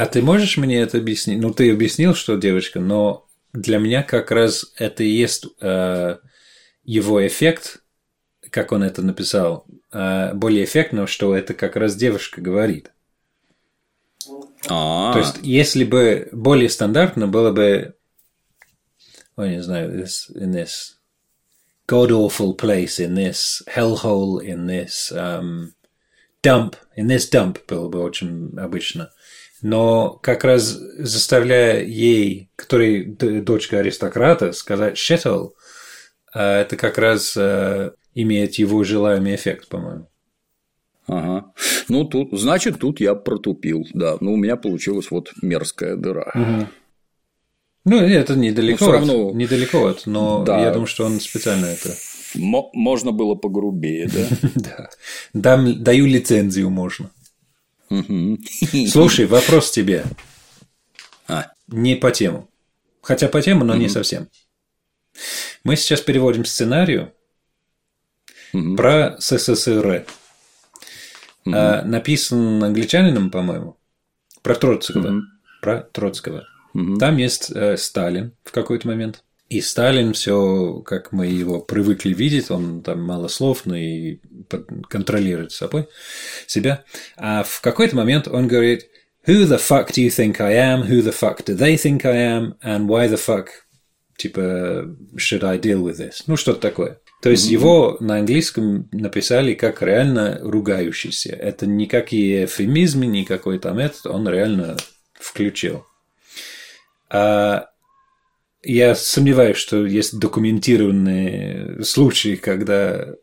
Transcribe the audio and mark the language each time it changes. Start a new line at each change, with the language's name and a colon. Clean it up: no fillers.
Russian: А ты можешь мне это объяснить? Ну, ты объяснил, что девочка, но для меня как раз это и есть его эффект, как он это написал. Более эффектно, что это как раз девушка говорит. То есть, если бы более стандартно было бы... Ой, не знаю,
English: this, in this god-awful place, in this hellhole, in this dump, in this dump было бы очень обычно.
Russian: Но как раз заставляя ей, которой дочка аристократа, сказать shithole, это как раз... имеет его желаемый эффект, по-моему. Ага. Ну, тут, значит, тут я протупил, да. Ну, у меня получилась вот мерзкая дыра. Ну, это недалеко, недалеко от, но да. Я думаю, что он специально это... Можно было погрубее, да? Да. Даю лицензию, можно. Слушай, вопрос тебе. Не по тему. Хотя по тему, но не совсем. Мы сейчас переводим сценарию. Про СССР. написан англичанином, по-моему, про Троцкого. Mm-hmm. Про Троцкого. Mm-hmm. Там есть Сталин в какой-то момент. И Сталин все, как мы его привыкли видеть, он там мало слов, но и контролирует собой, себя. А в какой-то момент он говорит:
English: «Who the fuck do you think I am? Who the fuck do they think I am? And why the fuck, типа, should I deal with this?»
Russian: Ну, что-то такое. То есть, mm-hmm. его на английском написали как реально ругающийся. Это никакие эвфемизмы, никакой там этот, он реально включил. А я сомневаюсь, что есть документированные случаи, когда...